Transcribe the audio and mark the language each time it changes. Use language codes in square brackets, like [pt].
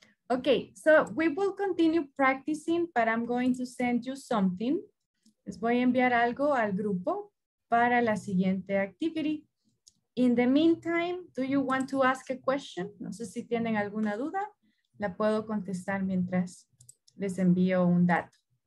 [en] Okay, so we will continue practicing, but I'm going to send you something. [es] Les voy a enviar algo al grupo para la siguiente activity. [en] In the meantime, do you want to ask a question? [es] No sé si tienen alguna duda. La puedo contestar mientras les envío un dato.